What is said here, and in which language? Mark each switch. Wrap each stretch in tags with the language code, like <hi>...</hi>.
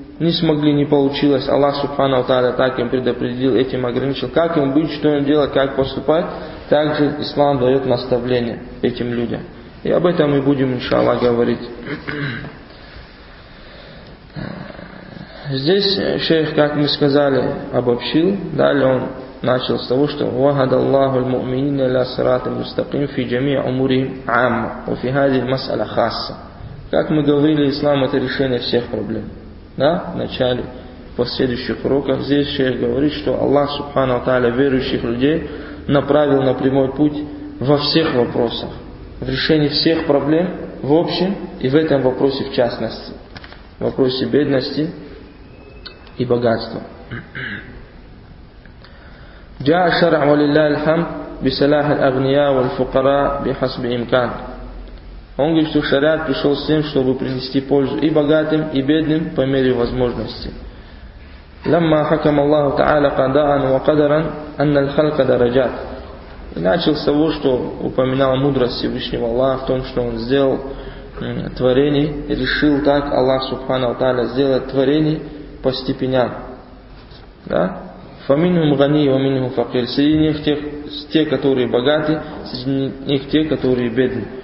<ru>Не смогли, не получилось. Аллах Субхана ва Тааля так им предопределил, этим ограничил. Как им быть, что им делать, как поступать. Также ислам дает наставление этим людям. И об этом мы будем, иншаллах, говорить. Здесь шейх, как мы сказали, обобщил. Далее он начал с того, что</ru> <ar>وَهَدَ اللَّهُ الْمُؤْمِنِينَ لَا سَرَاطٍ مُسْتَقِيمٍ فِي جَمِيعُ أُمُورِهِمْ عَامًا وَفِي هَذِهِ مَسْأَلَ خَاسَّةً.</ar> <ru>Как мы говорили, ислам — это решение всех проблем. Да? В начале, в последующих уроках. Здесь шейх говорит, что Аллах Субхана ва Тааля верующих людей направил на прямой путь во всех вопросах. В решении всех проблем в общем и в этом вопросе в частности. В вопросе бедности и богатства.</ru> <ar>جاء الشرع ولله الحمد بصلاح الأغنياء والفقراء بحسب إمكان.</ar> <ru>Он говорит, что шариат пришел с тем, чтобы принести пользу и богатым, и бедным по мере возможности.</ru> <ar>لما حكم الله تعالى قضاء وقدرا أن الخلق درجات.</ar> <ru>И начал с того, что упоминал мудрость Всевышнего Аллаха в том, что он сделал творение, решил так Аллах Субхана ва Тааля сделать творение по степеням. Да?</ru> <ar>Фаминум гани, ваминум факир.</ar> <ru>Среди них те, которые богаты, среди них те, которые бедны.</ru>